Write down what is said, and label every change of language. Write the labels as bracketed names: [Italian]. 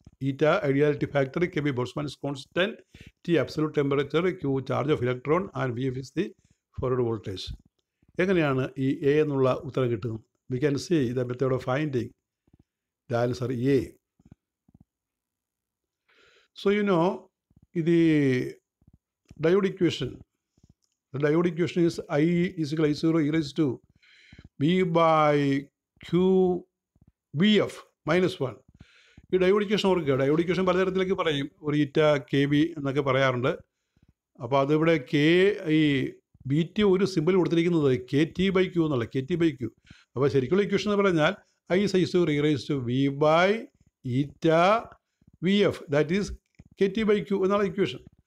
[English] Eta ideality factor, K B Boltzmann constant, T absolute temperature, Q charge of electron, and V F is the forward voltage. [Malayalam] എങ്ങനെയാണ് ഈ A എന്നുള്ള ഉത്തരം കിട്ടുന്നത്? [English] We can see the method of finding the answer A. So you know the diode equation. The diode equation is I is equal to I0 e raised to V by Q Vf minus 1. [Malayalam] ഈ diode equation ഓർക്കുക, diode equation പലതരത്തിലേക്ക് പറയും, ഒരു ഈറ്റ K B എന്നൊക്കെ പറയാറുണ്ട്. അപ്പോൾ അതിവിടെ K ഈ ബി ടി ഒരു സിമ്പിൾ കൊടുത്തിരിക്കുന്നത് കെ ടി ബൈ ക്യൂ എന്നുള്ള, കെ ടി ബൈ ക്യൂ. അപ്പോൾ ശരിക്കുള്ള ഇക്വേഷൻ എന്ന് പറഞ്ഞാൽ [English] I is I0 e raised to V by eta V F, that is K T by Q എന്നുള്ള equation.